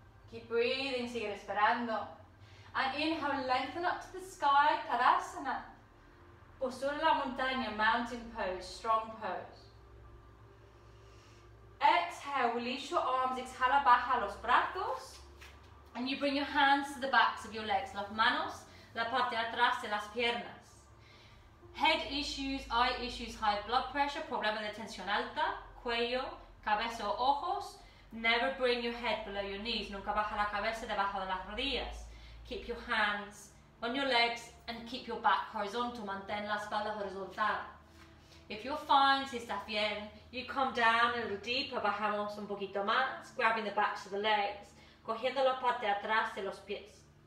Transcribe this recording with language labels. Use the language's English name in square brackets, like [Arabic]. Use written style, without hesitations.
[English] Keep breathing, [Spanish] sigue respirando. [English] And inhale, lengthen up to the sky, tadasana. [Spanish] Postura la montaña, [English] mountain pose, strong pose. Exhale, release your arms, [Spanish] exhala, baja los brazos. [English] And you bring your hands to the backs of your legs. [Spanish] Las manos, la parte atrás de las piernas. [English] Head issues, eye issues, high blood pressure, [Spanish] problema de tensión alta, cuello, cabeza o ojos. [English] Never bring your head below your knees. [Spanish] Nunca baja la cabeza debajo de las rodillas. [English] Keep your hands on your legs and keep your back horizontal. [Spanish] Mantén la espalda horizontal. [English] If you're fine, [Spanish] si estás bien, [English] you come down a little deeper, [Spanish] bajamos un poquito más, [English] grabbing the backs of the legs, [Spanish] cogiendo la parte atrás de los pies.